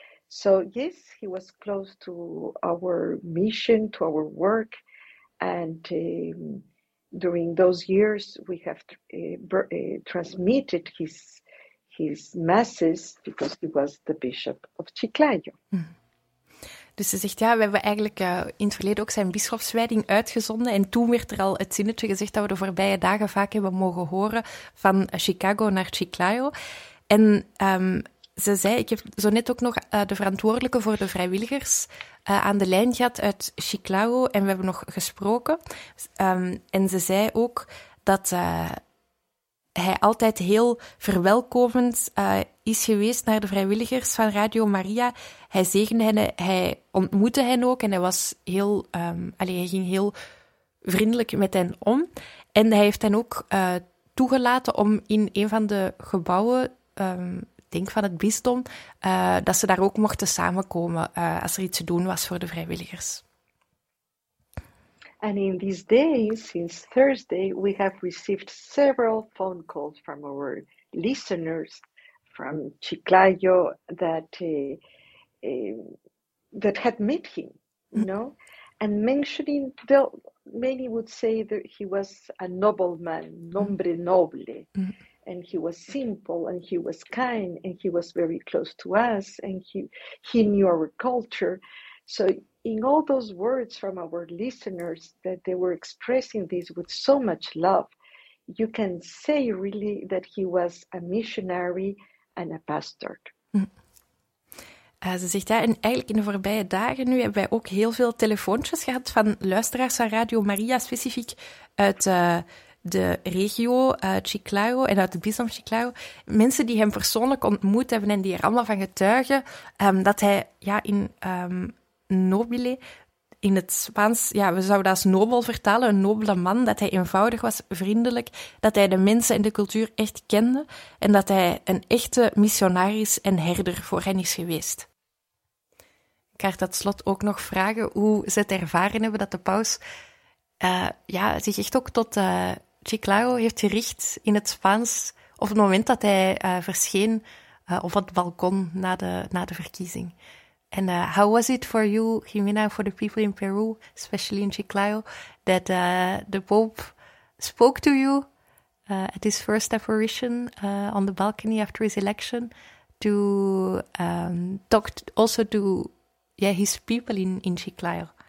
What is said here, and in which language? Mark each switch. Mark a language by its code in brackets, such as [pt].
[en] So yes, he was close to our mission, to our work, and during those years we have transmitted his masses, because he was the bishop of Chiclayo. [nl] Dus ze zegt, ja, we hebben eigenlijk in het verleden ook zijn bisschopswijding uitgezonden. En toen werd er al het zinnetje gezegd dat we de voorbije dagen vaak hebben mogen horen van Chicago naar Chiclayo. En ze zei, ik heb zo net ook nog de verantwoordelijke voor de vrijwilligers aan de lijn gehad uit Chiclayo. En we hebben nog gesproken. En ze zei ook dat hij altijd heel verwelkomend is geweest naar de vrijwilligers van Radio Maria. Hij zegende hen, hij ontmoette hen ook en hij was heel, hij ging heel vriendelijk met hen om. En hij heeft hen ook toegelaten om in een van de gebouwen, denk van het bisdom, dat ze daar ook mochten samenkomen als er iets te doen was voor de vrijwilligers. [en] And in these days, since Thursday, we have received several phone calls from our listeners from Chiclayo that that had met him, you know, and mentioning, though many would say that he was a nobleman, [es] nombre noble, [en] and he was simple, and he was kind, and he was very close to us, and he knew our culture. So in all those words from our listeners that they were expressing this with so much love, you can say really that he was a missionary and a pastor. [nl] Ze zegt ja, en eigenlijk in de voorbije dagen nu hebben wij ook heel veel telefoontjes gehad van luisteraars van Radio Maria, specifiek uit de regio Chiclayo en uit het bisdom Chiclayo. Mensen die hem persoonlijk ontmoet hebben en die er allemaal van getuigen dat hij ja, in nobile, in het Spaans, ja, we zouden dat als nobel vertalen, een nobele man, dat hij eenvoudig was, vriendelijk, dat hij de mensen en de cultuur echt kende en dat hij een echte missionaris en herder voor hen is geweest. Ik ga tot slot ook nog vragen hoe ze het ervaren hebben dat de paus ja, zich echt ook tot Chiclayo heeft gericht in het Spaans op het moment dat hij verscheen op het balkon na de verkiezing. [en] And how was it for you, Jimena, for the people in Peru, especially in Chiclayo, that the Pope spoke to you at his first apparition on the balcony after his election to talk also to yeah his people in Chiclayo?